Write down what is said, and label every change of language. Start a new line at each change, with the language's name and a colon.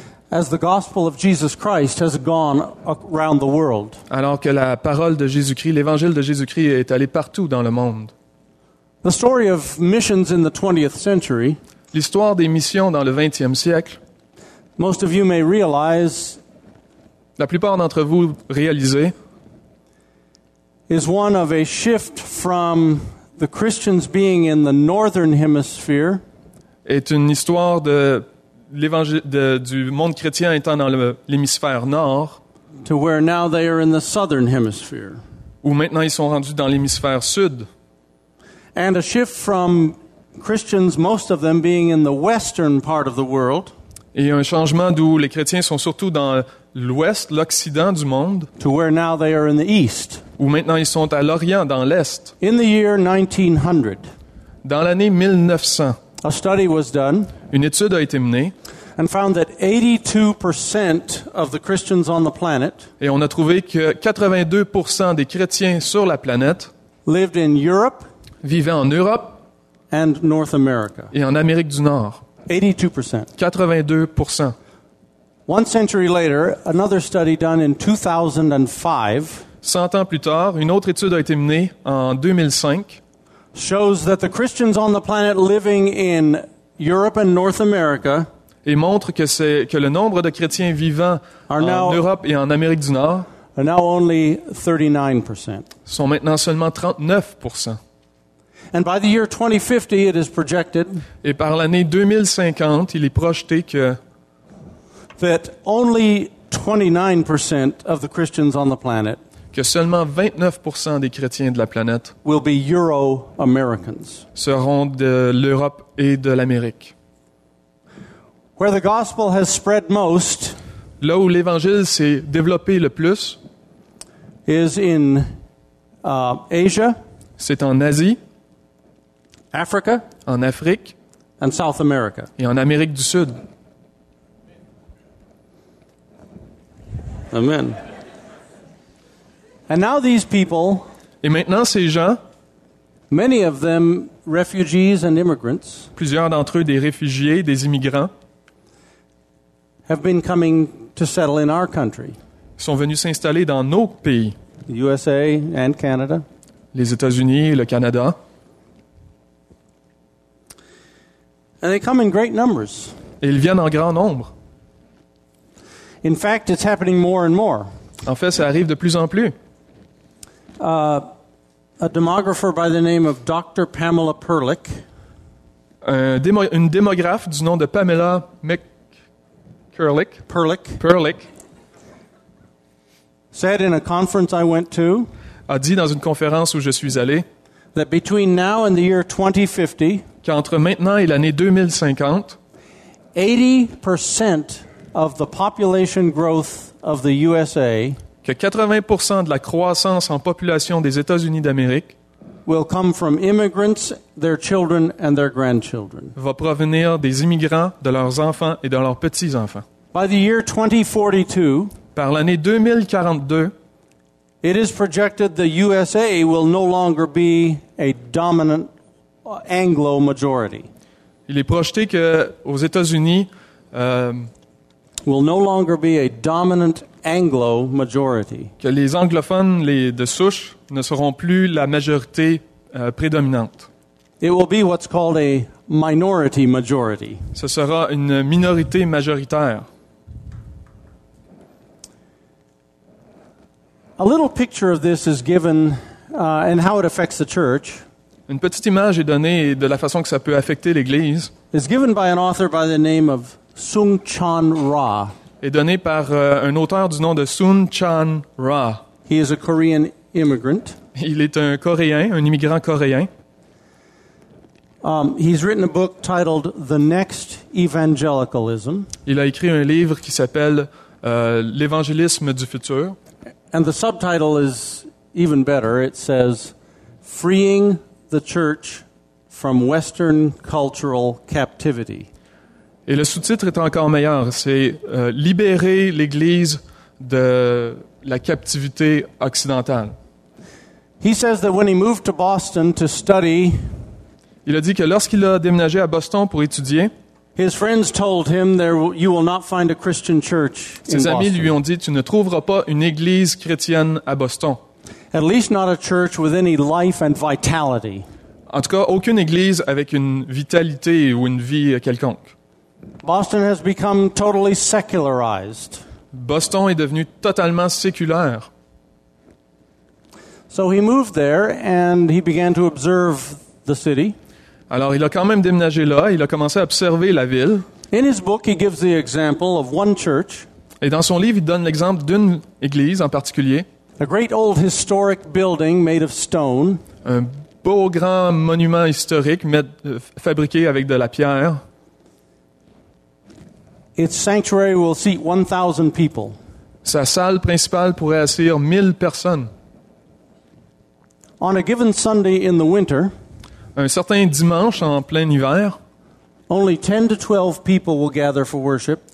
English: As the gospel of Jesus Christ has gone around the world.
French: Alors que la parole de Jésus-Christ, l'évangile de Jésus-Christ est allé partout dans le monde.
English: The story of missions in the 20th century.
French: L'histoire des missions dans le 20e siècle.
English: Most of you may realize.
French: La plupart d'entre vous réalisez.
English: Is one of a shift from the Christians being in the northern hemisphere.
French: Est une histoire de l'évangile du monde chrétien étant dans l'hémisphère nord.
English: To where now they are in the southern hemisphere.
French: Où maintenant ils sont rendus dans l'hémisphère sud.
English: And a shift from Christians, most of them being in the western part of the world.
French: Et un changement d'où les chrétiens sont surtout dans l'ouest, l'occident du monde.
English: To where now they are in the east.
French: Où maintenant ils sont à l'orient, dans l'est.
English: In the year 1900.
French: Dans l'année 1900.
English: A study was done.
French: Une étude a été menée.
English: And found that 82% of the Christians on the planet.
French: Et on a trouvé que 82% des chrétiens sur la planète.
English: Lived in Europe.
French: Vivaient en Europe.
English: And North America.
French: Et en Amérique du Nord.
English: 82%.
French: 82%.
English: One century later, another study done in 2005.
French: 100 ans plus tard, une autre étude a été menée en 2005.
English: Shows that the Christians on the planet living in Europe and North America.
French: Et montre que le nombre de chrétiens vivant en Europe et en Amérique du Nord.
English: Are now only 39%.
French: Sont maintenant seulement 39%.
English: And by the year 2050, it is projected.
French: Et par l'année 2050, il est projeté que.
English: That only 29% of the Christians on the planet.
French: Que seulement 29% des chrétiens de la planète.
English: Will be Euro-Americans.
French: Seront de l'Europe et de l'Amérique.
English: Where the gospel has spread most.
French: Là où l'évangile s'est développé le plus.
English: Is in Asia.
French: C'est en Asie.
English: Africa,
French: en Afrique,
English: and South America,
French: et en Amérique du Sud.
English: Amen. And now these people,
French: et maintenant ces gens,
English: many of them refugees and immigrants,
French: plusieurs d'entre eux des réfugiés, des immigrants,
English: have been coming to settle in our country.
French: Sont venus s'installer dans nos pays.
English: The USA and Canada,
French: les États-Unis et le Canada.
English: And they come in great numbers.
French: Et ils viennent en grand nombre.
English: In fact, it's happening more and more.
French: En fait, ça arrive de plus en plus.
English: A demographer by the name of Dr. Pamela Perlick.
French: Une démographe du nom de Pamela Perlick.
English: Said in a conference I went to.
French: A dit dans une conférence où je suis allé.
English: That between now and the year 2050.
French: Qu'entre maintenant et l'année 2050,
English: 80% of the population growth of the USA,
French: que 80% de la croissance en population des États-Unis d'Amérique,
English: will come from immigrants, their children and their grandchildren.
French: Va provenir des immigrants, de leurs enfants et de leurs petits-enfants.
English: By the year 2042,
French: par l'année 2042,
English: it is projected the USA will no longer be a dominant Anglo majority.
French: Il est projeté que aux États-Unis
English: will no longer be a dominant Anglo majority.
French: Que les anglophones les de souche ne seront plus la majorité prédominante.
English: It will be what's called a minority majority.
French: Ce sera une minorité majoritaire.
English: A little picture of this is given and how it affects the church.
French: Une petite image est donnée de la façon que ça peut affecter l'Église.
English: It's given by an author by the name of Sung Chan Ra.
French: Est donnée par un auteur du nom de Sung Chan Ra.
English: He is a Korean immigrant.
French: Il est un Coréen, un immigrant coréen.
English: He's written a book titled The Next Evangelicalism.
French: Il a écrit un livre qui s'appelle L'évangélisme du futur.
English: And the subtitle is even better. It says Freeing the church from Western cultural captivity.
French: Et le sous-titre est encore meilleur, c'est libérer l'Église de la captivité occidentale.
English: He says that when he moved to Boston to study,
French: il a dit que lorsqu'il a déménagé à Boston pour étudier,
English: his friends told him there you will not find a Christian church in Boston.
French: Ses amis lui ont dit tu ne trouveras pas une église chrétienne à Boston.
English: At least not a church with any life and vitality.
French: En tout cas, aucune église avec une vitalité ou une vie quelconque.
English: Boston has become totally secularized.
French: Boston est devenu totalement séculaire.
English: So he moved there and he began to observe the city.
French: Alors, il a quand même déménagé là, il a commencé à observer la ville.
English: In his book, he gives the example of one church.
French: Et dans son livre, il donne l'exemple d'une église en particulier.
English: A great old historic building made of stone.
French: Un beau grand monument historique fabriqué avec de la pierre.
English: Its sanctuary will seat 1,000 people.
French: Sa salle principale pourrait accueillir 1,000 personnes.
English: On a given Sunday in the winter,
French: un certain dimanche en plein hiver,
English: only 10 to 12 people will gather for worship.